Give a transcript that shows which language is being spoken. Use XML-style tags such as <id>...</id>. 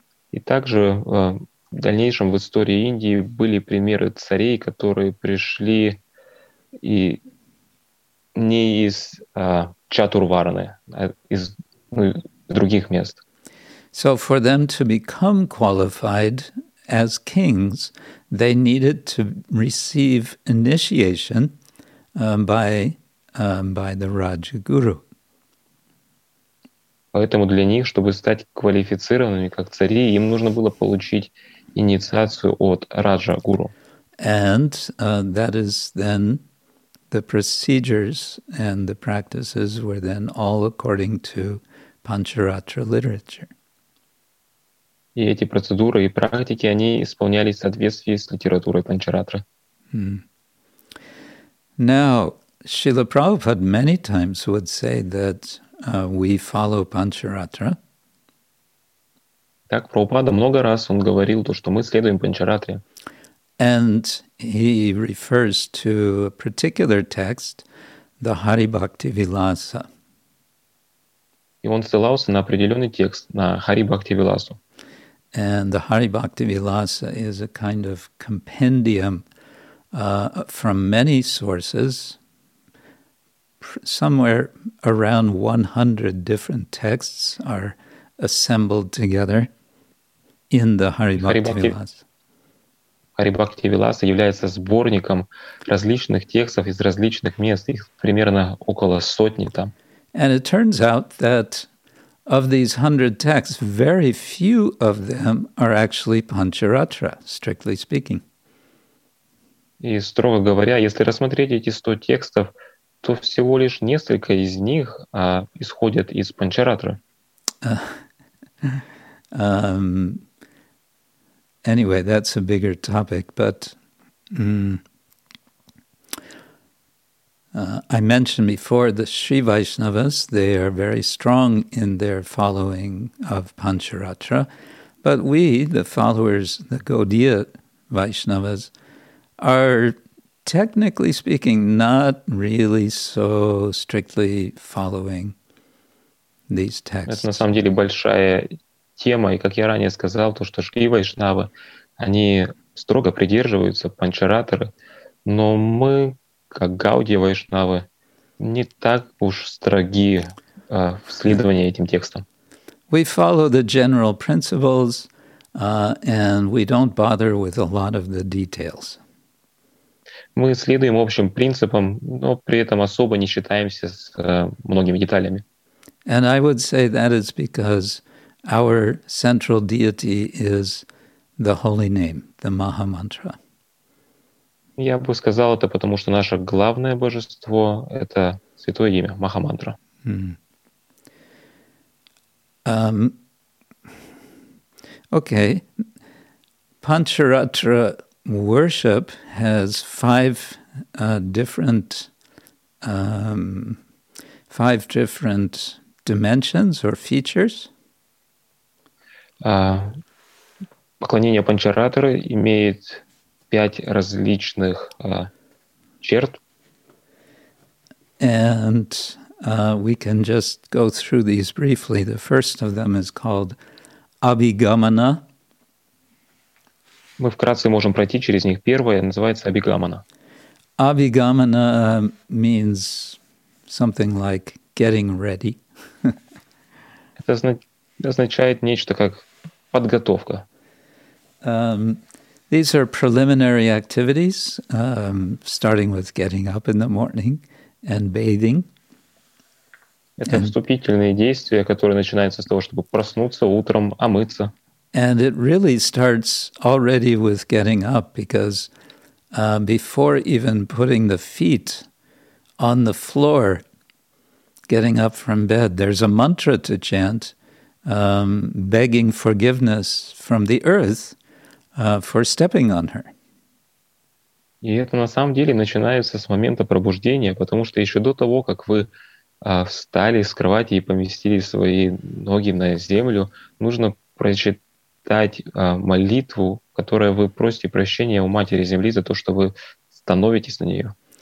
<ru>И также в дальнейшем в истории Индии были примеры царей, которые пришли и не из Чатурварны, а из других мест.</ru> <en>So for them to become qualified as kings, they needed to receive initiation by the Rajaguru.</en> <ru>Поэтому для них, чтобы стать квалифицированными как цари, им нужно было получить инициацию от Раджа-гуру.</ru> <en>And that is then the procedures and the practices were then all according to Pancharatra literature.</en> <ru>И эти процедуры и практики, они исполнялись в соответствии с литературой Панчаратры.</ru> <en>Now, Srila Prabhupada many times would say that we follow Pancharatra.</en> <ru>Так, Прабхупада много раз он говорил то, что мы следуем Панчаратре.</ru> <en>And he refers to a particular text, the Haribhakti Vilasa.</en> <ru>И он ссылался на определенный текст, на Харибхакти Виласу.</ru> <en>And the Haribhakti Vilasa is a kind of compendium from many sources, somewhere around 100 different texts are assembled together in the Haribhakti Vilasa.</en> <ru>Харибхакти Виласа является сборником различных текстов из различных мест, их примерно около сотни там.</ru> <en>And it turns out that of these 100 texts, very few of them are actually Pancharatra, strictly speaking.</en> <ru>И строго говоря, если рассмотреть эти 100 текстов, то всего лишь несколько из них исходят из Панчаратры.</ru> <en>Anyway, that's a bigger topic, but I mentioned before the Sri Vaishnavas, they are very strong in their following of Pancharatra, but we, the followers, the Gaudiya Vaishnavas, are technically speaking not really so strictly following these texts.</en> <ru>Это на самом деле большая тема, и как я ранее сказал, то, что Шри Вайшнавы, они строго придерживаются Панчаратры, но мы, как Гаудия Вайшнавы, не так уж строги в следовании этим текстам.</ru> <en>We follow the general principles, and we don't bother with a lot of the details.</en> <ru>Мы следуем общим принципам, но при этом особо не считаемся с многими деталями.</ru> <en>And I would say that is because our central deity is the holy name, the Maha Mantra.</en> <ru>Я бы сказал это потому, что наше главное божество — это святое имя, Маха Мантра.</ru> <en>Okay. Pancharatra worship has five different dimensions or features.</en> <ru>Поклонение Панчаратры имеет 5 различных черт.</ru> <en>And we can just go through these briefly. The first of them is called Abhigamana.</en> <ru>Мы вкратце можем пройти через них. Первое называется Abhigamana.</ru> <en>Abhigamana means something like getting ready.</en> <ru>Это означает нечто как подготовка.</ru> <en>These are preliminary activities, starting with getting up in the morning and bathing.</en> <ru>Это вступительные действия, которые начинаются с того, чтобы проснуться утром, омыться.</ru> <en>And it really starts already with getting up, because before even putting the feet on the floor, getting up from bed, there's a mantra to chant, begging forgiveness from the earth for stepping on her.</en> <ru>И это на самом деле начинается с момента пробуждения, потому что еще до того, как вы встали с кровати и поместили свои ноги на землю, нужно прочитать молитву, которая вы просите прощения у Матери Земли за то, что вы становитесь на нее.</ru>